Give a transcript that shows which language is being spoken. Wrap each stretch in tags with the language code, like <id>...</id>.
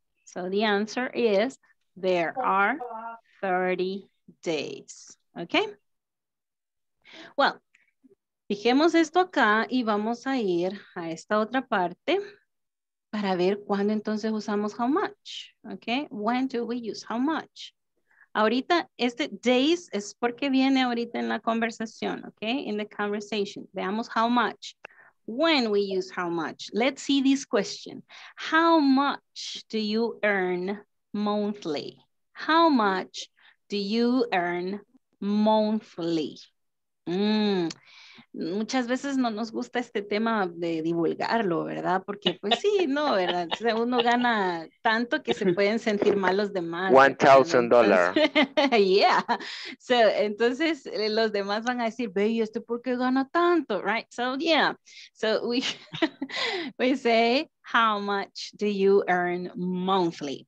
<en>So the answer is, there are 30 days, ok.</en> <es>Well, dejemos esto acá y vamos a ir a esta otra parte. Para ver cuándo entonces usamos how much, ¿ok?</es> <en>When do we use how much?</en> <es>Ahorita este days es porque viene ahorita en la conversación, ¿ok?</es> <en>In the conversation.</en> <es>Veamos how much.</es> <en>when we use how much. Let's see this question. How much do you earn monthly? How much do you earn monthly?</en> <es>Muchas veces no nos gusta este tema de divulgarlo, ¿verdad? Porque pues sí, no, ¿verdad? O sea, uno gana tanto que se pueden sentir mal los demás.</es> <en>$1,000. Yeah.</en> <es>So, entonces los demás van a decir, ve, ¿esto por qué gana tanto?</es> <en>Right? So, yeah. So, we say, how much do you earn monthly?</en>